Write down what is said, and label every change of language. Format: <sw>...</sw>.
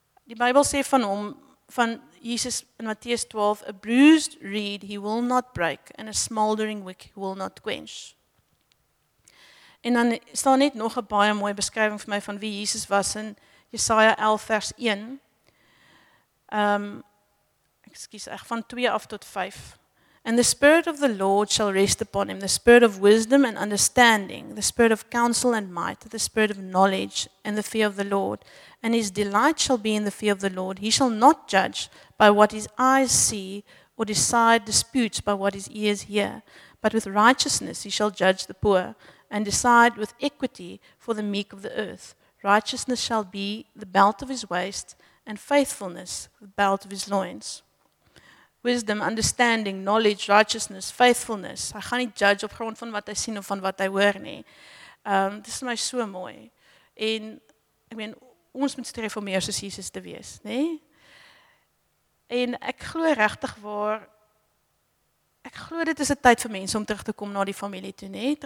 <af>Die Bybel sê van hom, van Jesus in Matteus 12,</af> <en>a bruised reed he will not break, and a smoldering wick he will not quench.</en> <af>En dan staan net nog 'n baie mooi beskrywing vir my van wie Jesus was in Jesaja 11 vers 1. Van 2 af tot 5.</af> <en>And the Spirit of the Lord shall rest upon him, the Spirit of wisdom and understanding, the Spirit of counsel and might, the Spirit of knowledge and the fear of the Lord. And his delight shall be in the fear of the Lord. He shall not judge by what his eyes see or decide disputes by what his ears hear. But with righteousness he shall judge the poor and decide with equity for the meek of the earth. Righteousness shall be the belt of his waist and faithfulness the belt of his loins. Wisdom, understanding, knowledge, righteousness, faithfulness.</en> <af>Hy gaan nie judge op grond van wat hy sien of van wat hy hoor nie. Dit is my so mooi. En ek meen, ons moet streef om meer soos Jesus te wees, nê? En ek glo regtig waar, ek glo dit is 'n tyd vir mense om terug te kom na die familie toe, nê?</af>